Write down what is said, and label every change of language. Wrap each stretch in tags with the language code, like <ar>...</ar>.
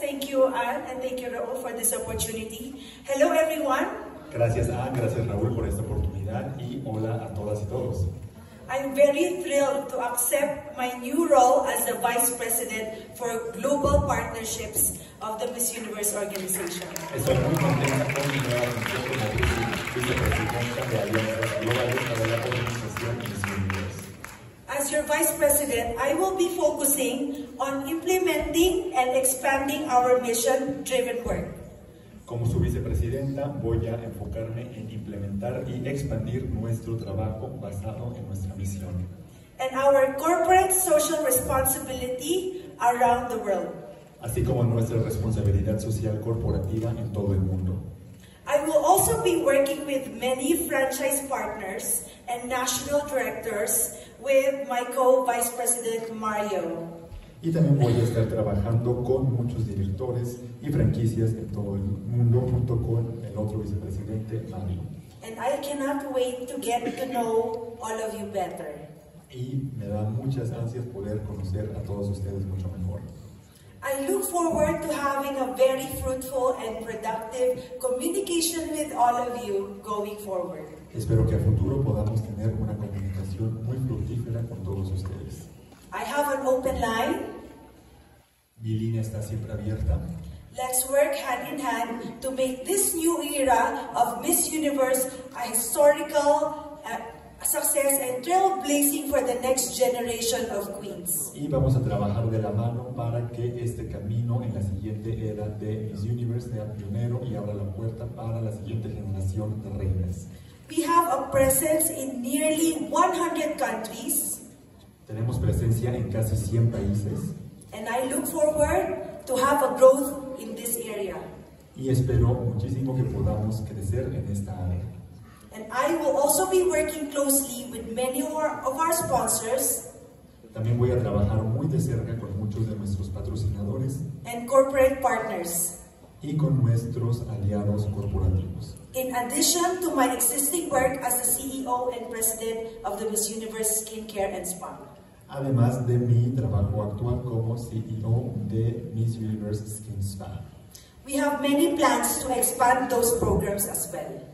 <en>Thank you, Anne, and thank you, Raúl, for this opportunity. Hello, everyone.</en> <es>Gracias, Anne. Gracias, Raúl, por esta oportunidad. Y hola a todas y todos.</es> <en>I'm very thrilled to accept my new role as the Vice President for Global Partnerships of the Miss Universe Organization.</en> <es>Estoy muy contenta con mi nueva función como vicepresidenta de Alianza Global para la Organización Miss Universe.</es> <en>As your Vice President, I will be focusing on implementing and expanding our mission-driven work.</en> <es>Como su vicepresidenta, voy a enfocarme en implementar y expandir nuestro trabajo basado en nuestra misión.</es> <en>And our corporate social responsibility around the world.</en> <es>Así como nuestra responsabilidad social corporativa en todo el mundo.</es> <en>I will also be working with many franchise partners and national directors with my co-vice president Mario.</en> <es>Y también voy a estar trabajando con muchos directores y franquicias en todo el mundo junto con el otro vicepresidente Mario.</es> <en>And I cannot wait to get to know all of you better.</en> <es>Y me da muchas ansias poder conocer a todos ustedes mucho mejor.</es> <en>I look forward to having a very fruitful and productive communication with all of you going forward.</en> <es>Espero que a futuro podamos tener una comunicación muy fructífera con todos ustedes.</es> <en>I have an open line.</en> <es>Mi línea está siempre abierta.</es> <en>Let's work hand in hand to make this new era of Miss Universe a historical success and trailblazing for the next generation of queens.</en> <es>Y vamos a trabajar de la mano para que este camino en la siguiente era de Miss Universe sea pionero y abra la puerta para la siguiente generación de reinas.</es> <en>We have a presence in nearly 100 countries.</en> <es>Tenemos presencia en casi 100 países.</es> <en>And I look forward to have a growth in this area.</en> <es>Y espero muchísimo que podamos crecer en esta área.</es> <en>And I will also be working closely with many of our sponsors.</en> <es>También voy a trabajar muy de cerca con muchos de nuestros patrocinadores.</es> <en>And corporate partners.</en> <es>Y con nuestros aliados corporativos.</es> <en>In addition to my existing work as the CEO and President of the Miss Universe Skincare and Spa.</en> <es>Además de mi trabajo actual como CEO de Miss Universe Skin Spa.</es> <en>We have many plans to expand those programs as well.</en>